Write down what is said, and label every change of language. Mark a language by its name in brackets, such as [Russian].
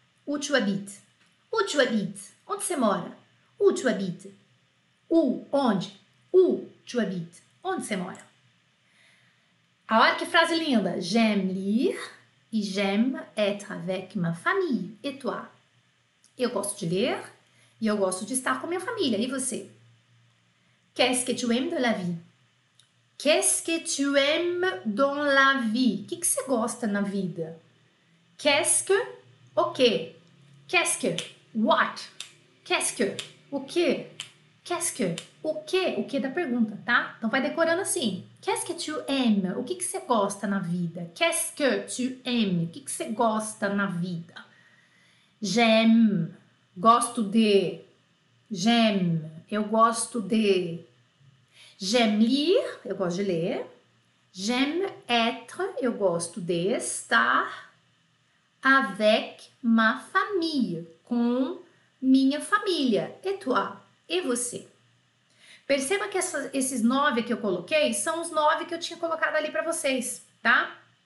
[French] Où tu habites? Où tu habites? [Portuguese] Onde você mora? [French] Où tu habites? Où? Onde? Où tu habites? [Portuguese] Onde você mora? Olha que frase linda! [French] J'aime lire e j'aime être avec ma famille, et toi? [Portuguese] Eu gosto de ler e eu gosto de estar com minha família, e você? [French] Qu'est-ce que tu aimes de la vie? Qu'est-ce que tu aimes dans la vie? [Portuguese] O que você gosta na vida? [French] Qu'est-ce que? [Portuguese] O quê? Qu'est-ce que? What? Qu'est-ce que? O quê? Qu'est-ce que? O quê? O quê da pergunta, tá? Então vai decorando assim. [French] Qu'est-ce que tu aimes? [Portuguese] O que você gosta na vida? [French] Qu'est-ce que tu aimes? [Portuguese] O que você gosta na vida? [French] J'aime. [Portuguese] Gosto de. [French] J'aime. [Portuguese] Eu gosto de. [French] J'aime lire, [Portuguese] eu gosto de ler. [French] J'aime être, [Portuguese] eu gosto de estar. [French] Avec ma famille, [Portuguese] com minha família. [French] Et toi? [Portuguese] E você? Perceba que esses 9 que eu coloquei são os 9 que eu tinha colocado ali para vocês, tá?